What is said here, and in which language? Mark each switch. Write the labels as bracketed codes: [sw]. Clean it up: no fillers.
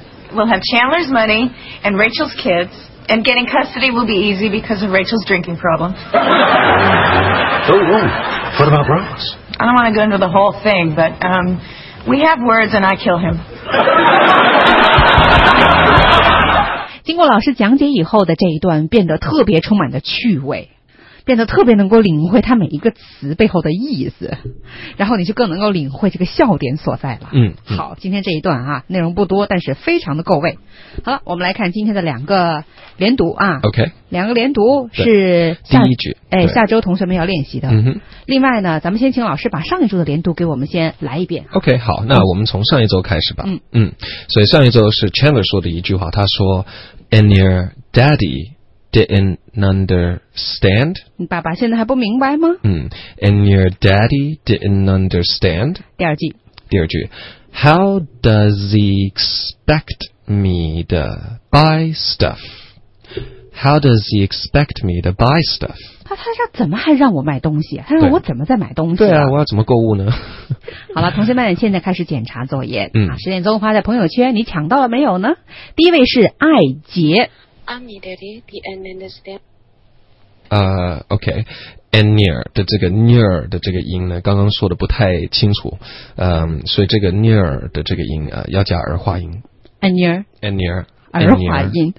[en] We'll have Chandler's money and Rachel's kids, and getting custody will be easy because of Rachel's drinking problem. Oh, what about Ross? I don't want to go into the whole thing, but we have words, and I kill him. [zh] 经过老师讲解以后的这一段变得特别充满的趣味，变得特别能够领会他每一个词背后的意思，然后你就更能够领会这个笑点所在了。好，今天这一段啊，内容不多，但是非常的够味。好了，我们来看今天的两个连读啊。 OK，两个连读是第一句，哎，下周同学们要练习的。嗯，另外呢，咱们先请老师把上一周的连读给我们先来一遍。 OK， 好，那我们从上一周开始吧。所以上一周是 Chandler 说的一句话，他说 ， [en] And your daddy。 Didn't understand. [zh] 你爸爸现在还不明白吗？ [en] And your daddy didn't understand. [zh] 第二句 [en] How does he expect me to buy stuff? How does he expect me to buy stuff? [zh] 他怎么还让我卖东西、啊、他让我怎么在买东西、啊、对啊，我要怎么购物呢？好了，同学们现在开始检查作业。十点钟发在朋友圈，你抢到了没有呢？第一位是艾杰。 [en] I'm your daddy, the end and the step. Okay. And near [zh] 的这个 near 的这个音呢，刚刚说的不太清楚，所以这个 near 的这个音啊，要加儿化音。 [en] And near. 儿化音。